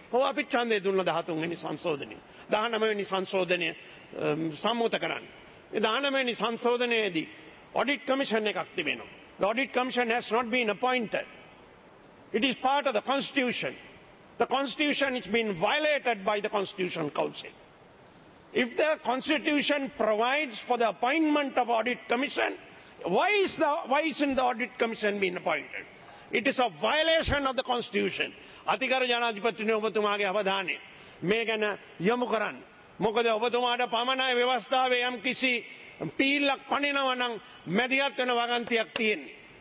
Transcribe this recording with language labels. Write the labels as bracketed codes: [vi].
[si] හොව අපි ඡන්දේ දුන්න 13 වෙනි සංශෝධනය 19 වෙනි සංශෝධනය සම්මුත කරන්න. ඒ 19 වෙනි සංශෝධනයේදී ඔඩිට් කමිෂන් එකක් තිබෙනවා. [en] Audit commission has not been appointed. It is part of the constitution. The constitution has been violated by the constitution council. If the constitution provides for the appointment of audit commission, why isn't the audit commission been appointed? It is a violation of the constitution. [si] අධිකාර ජනාධිපතිතුමනි ඔබතුමාගේ අවධානය මේ ගැන යොමු කරන්න. මොකද ඔබතුමාට පමණයි ව්‍යවස්ථාවේ යම් කිසි පීල්ලක් පනිනවා නම් මැදිහත් වෙන වගන්තියක් තියෙන්නේ.